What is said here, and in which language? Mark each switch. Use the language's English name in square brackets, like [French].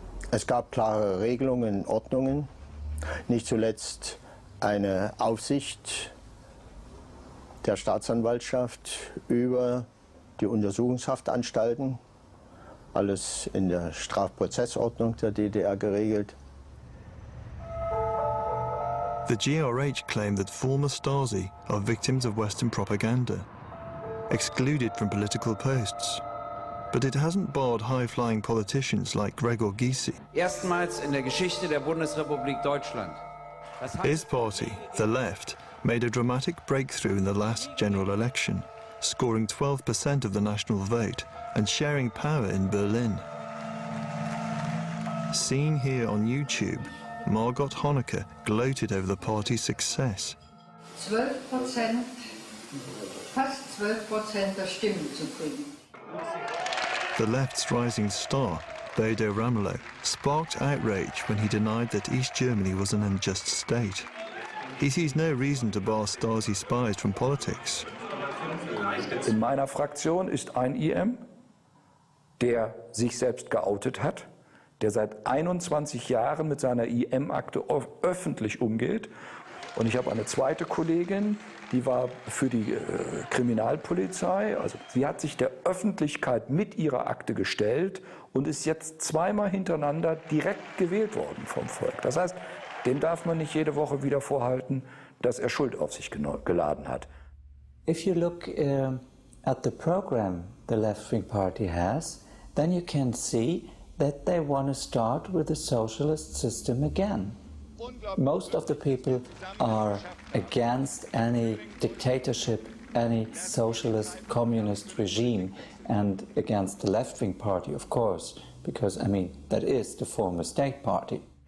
[German] Es gab klare Regelungen, Ordnungen, nicht zuletzt eine Aufsicht der Staatsanwaltschaft über die Untersuchungshaftanstalten, alles in der Strafprozessordnung der DDR geregelt. [English] The GRH claimed that former Stasi are victims of Western propaganda, excluded from political posts. But it hasn't barred high-flying politicians like Gregor Gysi. [German] Erstmals in der Geschichte der Bundesrepublik Deutschland. [English] His party, the left, made a dramatic breakthrough in the last general election, scoring 12% of the national vote and sharing power in Berlin. Seen here on YouTube, Margot Honecker gloated over the party's success. [German] 12%, fast 12% der Stimmen zu kriegen. [English] The left's rising star, Bodo Ramelow, sparked outrage when he denied that East Germany was an unjust state. He sees no reason to bar Stasi spies from politics. [German] In meiner Fraktion ist ein IM, der sich selbst geoutet hat, der seit 21 Jahren mit seiner IM-Akte öffentlich umgeht. Und ich habe eine zweite Kollegin, die war für die Kriminalpolizei. Also sie hat sich der Öffentlichkeit mit ihrer Akte gestellt und ist jetzt zweimal hintereinander direkt gewählt worden vom Volk. Das heißt, dem darf man nicht jede Woche wieder vorhalten, dass er Schuld auf sich geladen hat. [English] If you look at the program the left-wing party has, then you can see that they want to start with the socialist system again. Most of the people are against any dictatorship, any socialist communist regime, and against the left-wing party, of course, because, I mean, that is the former state party.